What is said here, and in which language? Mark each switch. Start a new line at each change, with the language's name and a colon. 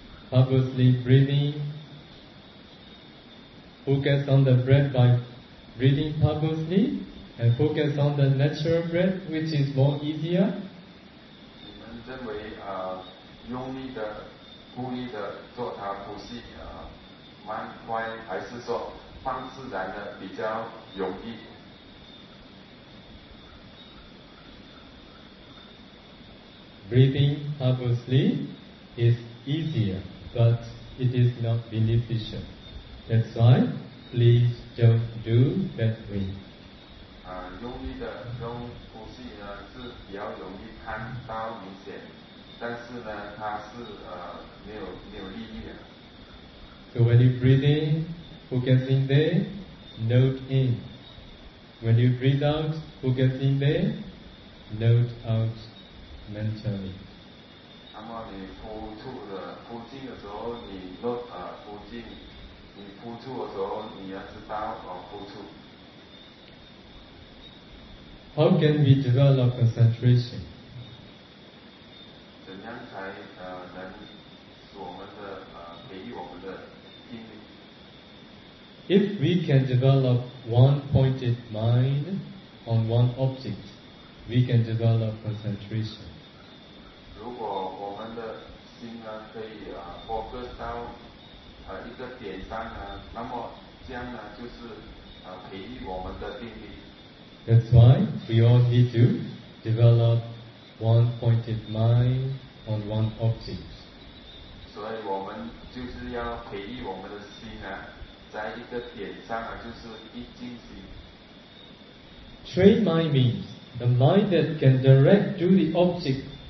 English: Purposely breathing, focus on the breath by breathing purposely, and focus on the natural breath, which is more easier.
Chinese: 你们认为用力的、故意的做它呼吸慢快，还是说放自然的比较容易？
English: Breathing purposely is easier. But it is not beneficial. That's why, please don't do that way.
Chinese: 用力的用呼吸呢是比较容易看到明显，但是呢它是没有利益的。
English: So when you breathe in, focus in there, note in. When you breathe out, focus in there, note out mentally.
Chinese: 那么你呼出的呼进的时候，你若呼进，你呼出的时候，你要知道呼出。
English: How can we develop concentration?
Chinese: 怎样才能使我们的培育我们的精力
English: ？If we can develop one-pointed mind on one object, we can develop concentration.
Chinese: 如果我们的心呢可以focus 到一个点上呢，那么这样呢就是培育我们的定力。
English: That's why we all need to develop one-pointed mind on one object.
Chinese: 所以我们就是要培育我们的心呢，在一个点上呢就是一心心。
English: Train mind means the mind that can direct to the object.